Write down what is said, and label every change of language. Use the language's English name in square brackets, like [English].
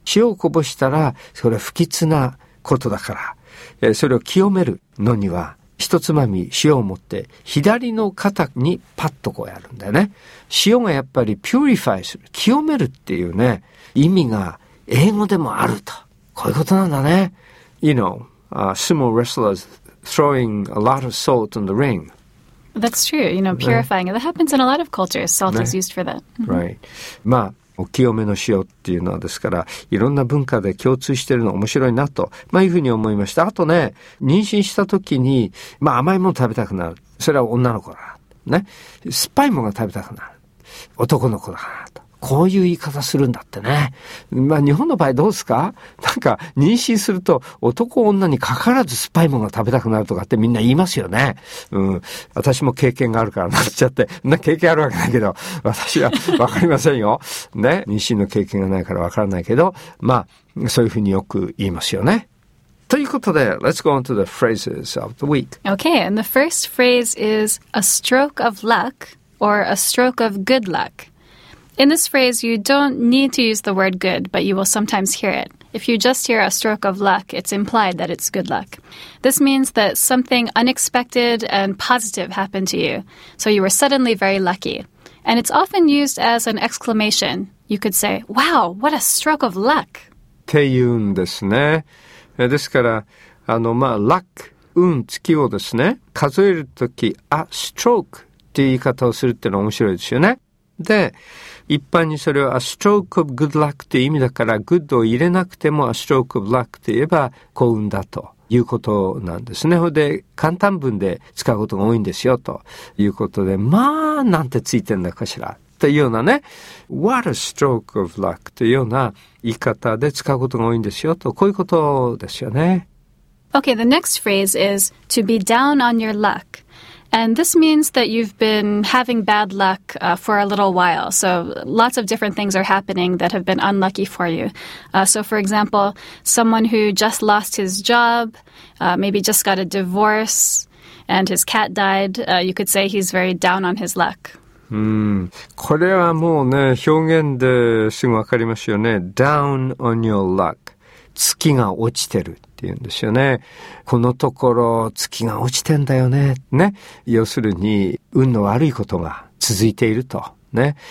[Japanese] 塩をこぼしたら、それは不吉なことだから、それを清めるのには、一つまみ塩を持って、左の肩にパッとこうやるんだよね。塩がやっぱりピューリファイする、清めるっていうね、意味が英語でもあると。こういうことなんだね。 [English] You know, sumo wrestlers throwing a lot of salt in the ring. That's true, you know, purifying.、ね、That happens in a lot of cultures. Salt、ね、is used for that. Right. [Japanese] まあ、お清めの塩っていうのはですから、いろんな文化で共通してるの面白いなと、まあいうふうに思いました。あとね、妊娠した時に、まあ甘いもの食べたくなる。それは女の子だな。ね。酸っぱいものが食べたくなる。男の子だなと。こういう言い方するんだってね。まあ日本の場合どうですか？なんか妊娠すると男女にかかわらず酸っぱいものが食べたくなるとかってみんな言いますよね。うん。私も経験があるからなっちゃって。な、経験あるわけないけど、私はわかりませんよ。ね。妊娠の経験がないからわからないけど、まあそういうふうによく言いますよね。ということで、 [English] let's go on to the phrases of the week. Okay, and the first phrase is a stroke of luck or a stroke of good luck. In this phrase, you don't need to use the word good, but you will sometimes hear it. If you just hear a stroke of luck, it's implied that it's good luck. This means that something unexpected and positive happened to you, so you were suddenly very lucky. And it's often used as an exclamation. You could say, wow, what a stroke of luck! [Japanese] っていうんですね。ですから、あの、まあ、luck、運、月をですね、数えるとき、a stroke っていう言い方をするっていうのは面白いですよね。で、一般にそれは [English] a stroke of good luck [Japanese] という意味だから、 good を入れなくても [English] a stroke of luck [Japanese] と言えば幸運だということなんですね。で、簡単文で使うことが多いんですよということで、まあなんてついてんだかしらというようなね、 [English] what a stroke of luck [Japanese] というような言い方で使うことが多いんですよと、こういうことですよね。 [English] Okay, the next phrase is to be down on your luckAnd this means that you've been having bad luck, for a little while. So lots of different things are happening that have been unlucky for you. So for example, someone who just lost his job, maybe just got a divorce and his cat died, you could say he's very down on his luck. [Japanese] これはもうね、表現ですぐわかりますよね。 [English] Down on your luck. [Japanese] 月が落ちてる。って言うんですよね。このところ月が落ちてんだよね。ね。要するに運の悪いことが続いていると。ね。